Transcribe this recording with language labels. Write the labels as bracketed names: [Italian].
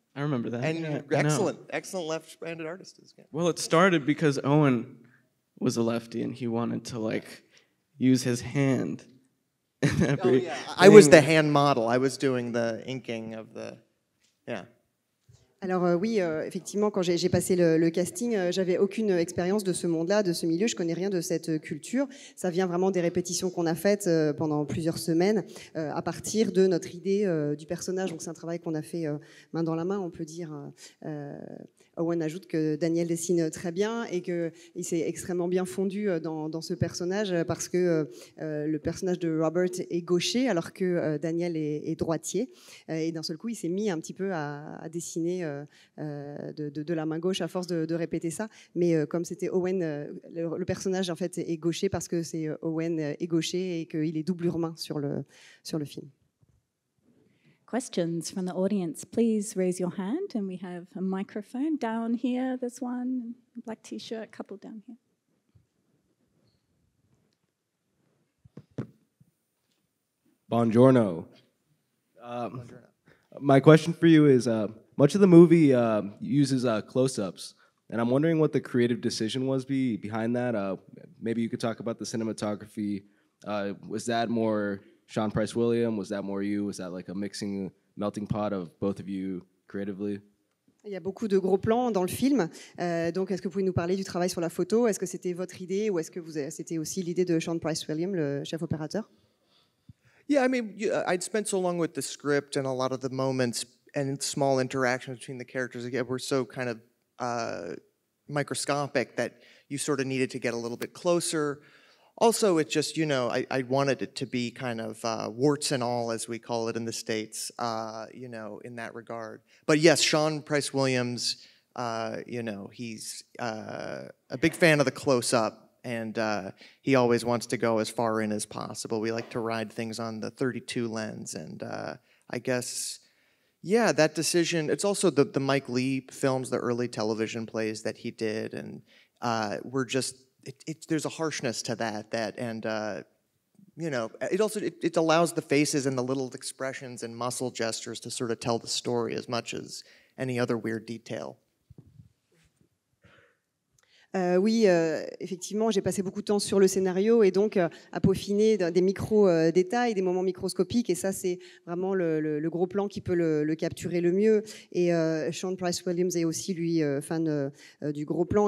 [English] I remember that. And yeah, excellent left-handed artist. Well, it started because Owen was a lefty and he wanted to like use his hand. I was the hand model. I was doing the inking of the, yeah. [French] Alors oui, effectivement, quand j'ai passé le casting, j'avais aucune expérience de ce monde-là, de ce milieu, je ne connais rien de cette culture. Ça vient vraiment des répétitions qu'on a faites pendant plusieurs semaines à partir de notre idée du personnage. Donc c'est un travail qu'on a fait main dans la main, on peut dire. Owen ajoute que Daniel dessine très bien et qu'il s'est extrêmement bien fondu dans ce personnage parce que le personnage de Robert est gaucher alors que Daniel est droitier. Et d'un seul coup, il s'est mis un petit peu à dessiner de la main gauche à force de répéter ça, mais comme c'était Owen, le personnage en fait est gaucher parce que c'est Owen est gaucher et qu'il est doublure main sur le film. [English] Questions from the audience, please raise your hand and we have a microphone down here, this one, black t-shirt, couple down here. [Italian] Buongiorno. [English] My question for you is, much of the movie uses close-ups, and I'm wondering what the creative decision was behind that. Maybe you could talk about the cinematography. Was that more Sean Price-William? Was that more you? Was that like a mixing, melting pot of both of you creatively? [French] Il y a beaucoup de gros plans dans le film. Donc, est-ce que vous pouvez nous parler du travail sur la photo? Est-ce que c'était votre idée, ou est-ce que c'était aussi l'idée de Sean Price-William, le chef opérateur? [English] Yeah, I mean, I'd spent so long with the script and a lot of the moments and small interactions between the characters, again, were so kind of microscopic that you sort of needed to get a little bit closer. Also, it just, you know, I wanted it to be kind of warts and all, as we call it in the States, you know, in that regard. But yes, Sean Price Williams, you know, he's a big fan of the close-up, and he always wants to go as far in as possible. We like to ride things on the 32 lens, and I guess... Yeah, that decision, it's also the Mike Lee films, the early television plays that he did, and we're just, there's a harshness to that, and, you know, it also, it allows the faces and the little expressions and muscle gestures to sort of tell the story as much as any other weird detail. [French] Oui, effectivement, j'ai passé beaucoup de temps sur le scénario et donc à peaufiner des micro-détails, des moments microscopiques, et ça, c'est vraiment le gros plan qui peut le capturer le mieux. Et Sean Price-Williams est aussi, lui, fan du gros plan.